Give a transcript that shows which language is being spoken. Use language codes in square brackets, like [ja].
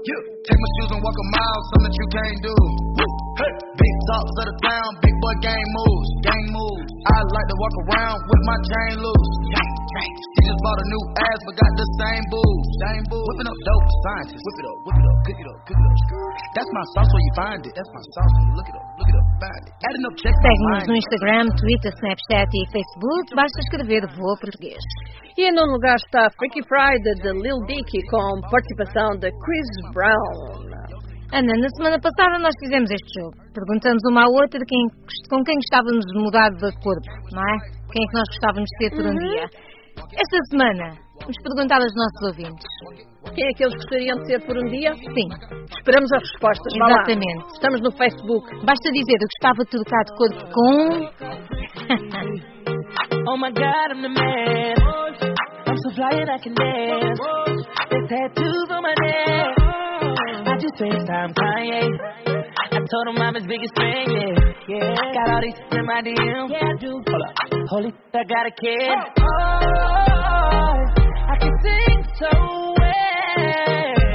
[en] Yeah, take my shoes and walk a mile, something that you can't do. Woo, hey, big tops of the town, big boy gang moves, I like to walk around with my chain loose. She just bought a new ass, but got the same booze. Same booze. Whipping up dope, scientists. Whip it up, cook it up, cook it up. That's my sauce where you find it. That's my sauce where you look it up. [pt] Segue-nos no Instagram, Twitter, Snapchat e Facebook. Basta escrever Voa Português. E em nono lugar está Freaky Friday de Lil Dicky, com participação de Chris Brown. Ana, na semana passada nós fizemos este jogo. Perguntamos uma à outra com quem gostávamos de mudar de corpo, não é? Quem é que nós gostávamos de ter por um dia. Esta semana, Vamos perguntar aos nossos ouvintes. Quem é que eles gostariam de ser por um dia? Sim. Esperamos as respostas. Exatamente. Vá lá. Estamos no Facebook. Basta dizer, eu gostava de tocar de corpo com... [en] Oh my God, I'm the man. I'm so fly and I can dance. The tattoos on my neck. I just FaceTime Kanye. I told him I'm his biggest fan, yeah. Yeah. I got all these in my DM. Yeah, I do. Hold up. Holy, I got a kid. Oh, oh, oh, I can sing so well.